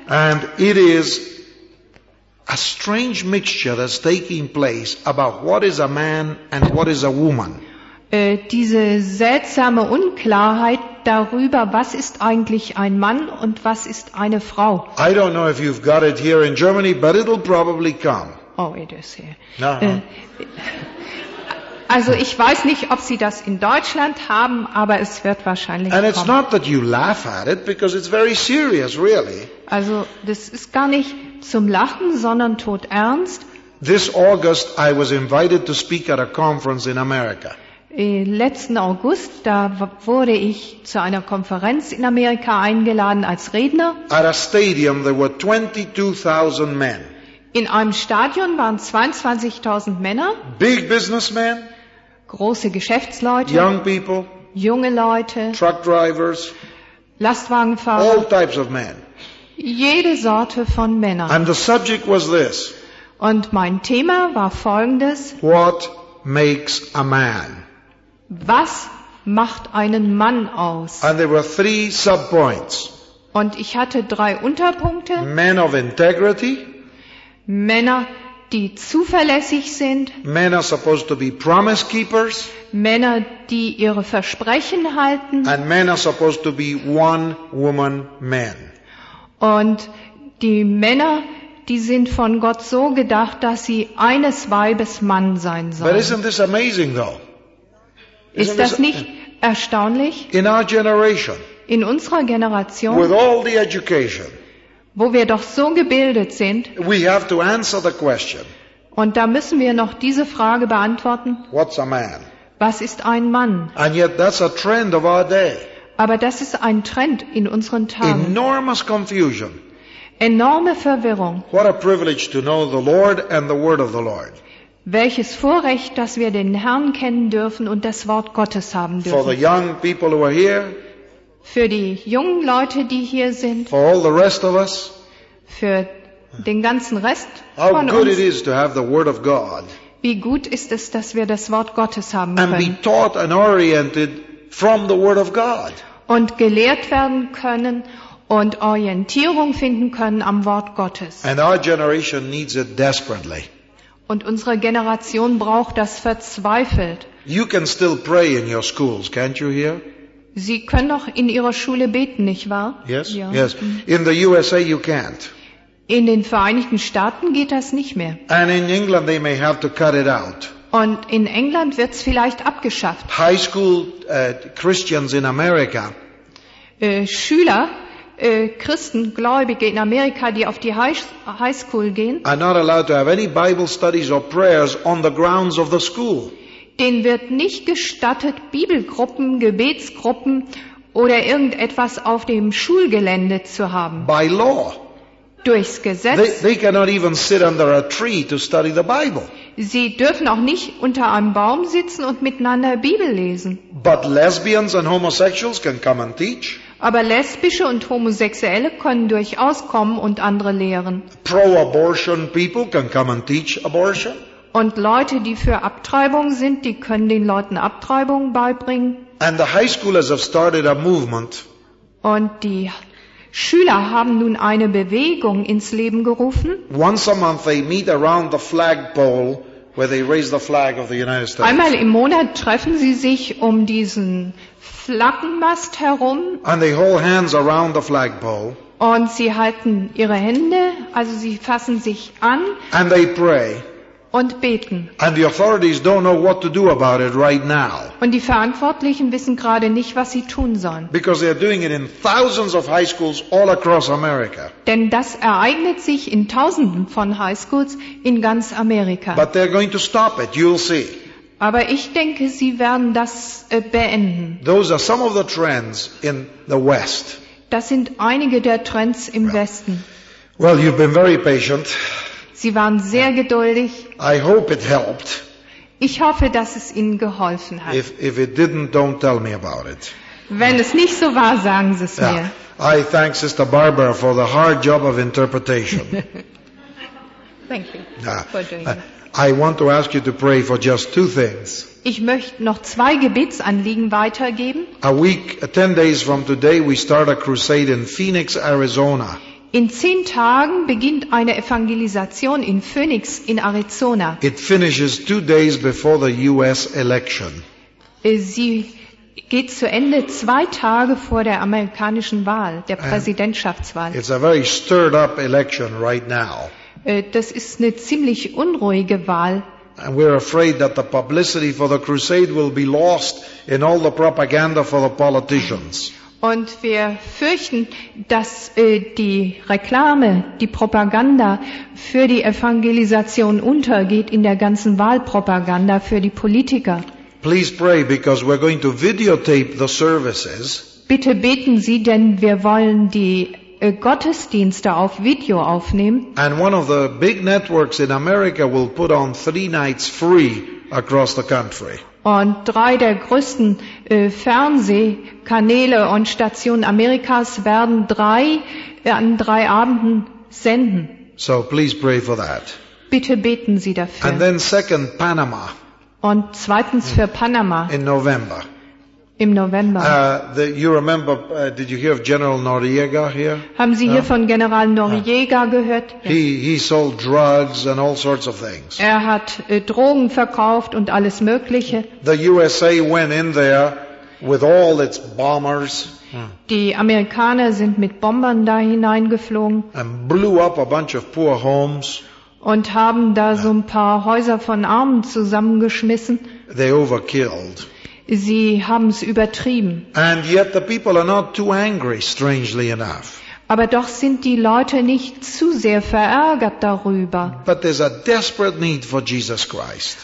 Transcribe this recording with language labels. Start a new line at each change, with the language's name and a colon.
English: And it is a strange mixture that's taking place about what is a man and what is a woman.
German: Diese seltsame Unklarheit darüber, was ist eigentlich ein Mann und was ist eine Frau.
English: I don't know if you've got it here in Germany, but it'll probably come. Oh, it is here.
German: Also ich weiß nicht, ob Sie das in Deutschland haben, aber es wird wahrscheinlich
English: and
German: kommen.
English: And it's not that you laugh at it, because it's very serious, really.
German: Also das ist gar nicht zum Lachen, sondern todernst.
English: This August I was invited to speak at a conference in America.
German: Letzten August, da wurde ich zu einer Konferenz in Amerika eingeladen als Redner.
English: At a stadium there were 22,000 men.
German: In einem Stadion waren 22.000 Männer.
English: Big businessmen.
German: Große Geschäftsleute.
English: Young people.
German: Junge Leute.
English: Truck drivers.
German: Lastwagenfahrer.
English: All types of men.
German: Jede Sorte von Männern.
English: And the subject was this.
German: Und mein Thema war folgendes.
English: What makes a man?
German: Was macht einen Mann aus?
English: And there were three sub-points.
German: Und ich hatte drei Unterpunkte.
English: Men of integrity.
German: Männer, die zuverlässig sind.
English: Men are supposed to be promise keepers.
German: Männer, die ihre Versprechen halten.
English: And men are supposed to be one woman men.
German: Und die Männer, die sind von Gott so gedacht, dass sie eines Weibes Mann sein sollen.
English: But isn't this amazing though?
German: Ist das nicht erstaunlich?
English: In our generation,
German: in unserer Generation,
English: with all the education,
German: wo wir doch so gebildet sind,
English: we have to answer the question,
German: und da müssen wir noch diese Frage beantworten,
English: what's a man?
German: Was ist ein Mann?
English: And yet that's a trend of our day.
German: Aber das ist ein Trend in unseren Tagen.
English: Enormous confusion.
German: Enorme Verwirrung.
English: What a privilege to know the Lord and the word of the Lord.
German: Welches Vorrecht, dass wir den Herrn kennen dürfen und das Wort Gottes haben dürfen.
English: For the young people who are here,
German: für die jungen Leute, die hier sind.
English: For all the rest of us,
German: für den ganzen Rest
English: how
German: von
English: good
German: uns.
English: It is to have the word of God,
German: wie gut ist es, dass wir das Wort Gottes haben
English: and
German: können.
English: Be taught and oriented from the word of God.
German: Und gelehrt werden können und Orientierung finden können am Wort Gottes.
English: And our generation needs it desperately.
German: Und unsere Generation braucht das verzweifelt.
English: You can still pray in your schools, can't you hear?
German: Sie können doch in Ihrer Schule beten, nicht wahr?
English: Yes, ja. Yes. In the USA you can't.
German: In den Vereinigten Staaten geht das nicht mehr.
English: And in England they may have to cut it out.
German: Und in England wird es vielleicht abgeschafft.
English: High school Christians in America.
German: Schüler, Christen, Gläubige in Amerika, die auf die High School gehen.
English: Are not allowed to have any Bible studies or prayers on the grounds of the school.
German: Denen wird nicht gestattet, Bibelgruppen, Gebetsgruppen oder irgendetwas auf dem Schulgelände zu haben.
English: By law.
German: Durchs Gesetz.
English: They cannot even sit under a tree to study the Bible.
German: Sie dürfen auch nicht unter einem Baum sitzen und miteinander Bibel lesen.
English: But lesbians and homosexuals can come and teach.
German: Aber Lesbische und Homosexuelle können durchaus kommen und andere lehren.
English: Pro-abortion people can come and teach abortion.
German: Und Leute, die für Abtreibung sind, die können den Leuten Abtreibung beibringen.
English: And the high schoolers have started a movement.
German: Und die Schüler haben nun eine Bewegung ins Leben gerufen.
English: Once a month they meet around the flagpole where they raise the flag of the United States.
German: Einmal im Monat treffen sie sich um diesen Flaggenmast herum.
English: And they hold hands around the flagpole.
German: Und sie halten ihre Hände, also sie fassen sich an.
English: And they pray.
German: Und beten.
English: And the authorities don't know what to do about it right now.
German: Und die Verantwortlichen wissen gerade nicht, was sie tun sollen.
English: Because they are doing it in thousands of high schools all across America.
German: Denn das ereignet sich in Tausenden von High Schools in ganz Amerika.
English: But they're going to stop it. You'll see.
German: Aber ich denke, sie werden das beenden.
English: Those are some of the trends in the West.
German: Das sind einige der Trends im Westen.
English: Well, you've been very patient.
German: Sie waren sehr geduldig.
English: I hope it helped.
German: Ich hoffe, dass es Ihnen geholfen hat.
English: If it didn't, don't tell me about it.
German: Wenn es nicht so war, sagen Sie es mir.
English: I thank Sister Barbara for the hard job of interpretation. Thank you. I want to ask you to pray for just two things.
German: Ich möchte noch zwei Gebetsanliegen weitergeben.
English: A week, 10 days from today, we start a crusade in Phoenix, Arizona.
German: In 10 Tagen beginnt eine Evangelisation in Phoenix in Arizona.
English: It finishes 2 days before the US election.
German: Sie geht zu Ende 2 Tage vor der amerikanischen Wahl, der Präsidentschaftswahl.
English: It's a very stirred up election right now.
German: Das ist eine ziemlich unruhige Wahl.
English: And we're afraid that the publicity for the crusade will be lost in all the propaganda for the politicians.
German: Und wir fürchten, dass die Reklame, die Propaganda für die Evangelisation untergeht in der ganzen Wahlpropaganda für die Politiker.
English: Please pray, because we're going to videotape the services.
German: Bitte beten Sie, denn wir wollen die Gottesdienste auf Video aufnehmen.
English: And one of the big networks in America will put on 3 nights free across the country.
German: Und 3 der größten Fernsehkanäle und Stationen Amerikas werden 3 an 3 Abenden senden.
English: So please pray for that.
German: Bitte beten Sie dafür.
English: And then second, Panama.
German: Und zweitens für Panama.
English: In November.
German: Im November.
English: You remember, did you hear of General Noriega here?
German: Haben Sie hier von General Noriega gehört?
English: Yes. He sold drugs and all sorts of things.
German: Er hat Drogen verkauft und alles Mögliche.
English: The USA went in there with all its bombers.
German: Die Amerikaner sind mit Bombern da hineingeflogen.
English: And blew up a bunch of poor homes.
German: Und haben da so ein paar Häuser von Armen zusammengeschmissen.
English: They overkilled.
German: Sie haben es übertrieben.
English: And yet the people are not too angry, strangely enough.
German: Aber doch sind die Leute nicht zu sehr verärgert darüber.
English: But there's a desperate need for Jesus Christ.